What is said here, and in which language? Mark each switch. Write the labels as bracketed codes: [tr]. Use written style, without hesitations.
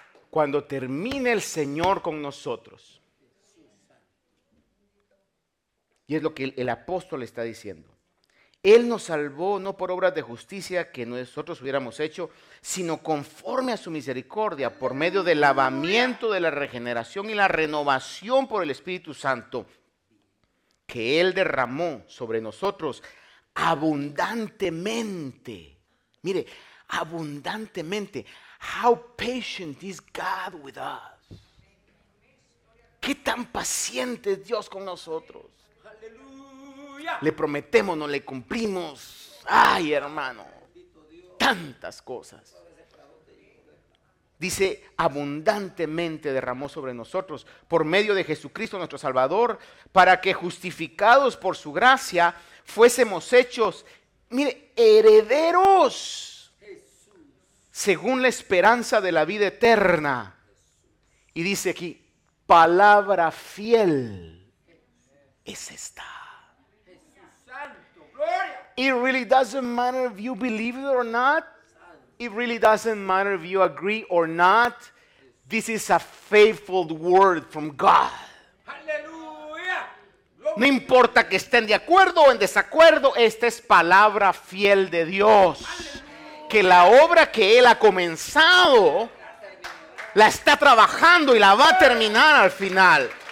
[es] Cuando termine el Señor con nosotros, y es lo que el apóstol está diciendo, Él nos salvó no por obras de justicia que nosotros hubiéramos hecho, sino conforme a su misericordia, por medio del lavamiento de la regeneración y la renovación por el Espíritu Santo, que Él derramó sobre nosotros abundantemente. Mire, abundantemente. [en] How patient is God with us? [es] ¿Qué tan paciente es Dios con nosotros? Le prometemos, no le cumplimos. Ay, hermano, tantas cosas. Dice, abundantemente derramó sobre nosotros por medio de Jesucristo nuestro Salvador, para que justificados por su gracia fuésemos hechos, mire, herederos según la esperanza de la vida eterna. Y dice aquí, palabra fiel es esta. [en] It really doesn't matter if you believe it or not. It really doesn't matter if you agree or not. This is a faithful word from God. Hallelujah. [es] No importa que estén de acuerdo o en desacuerdo, esta es palabra fiel de Dios. [en] Hallelujah. [es] Que la obra que Él ha comenzado, la está trabajando y la va a terminar al final.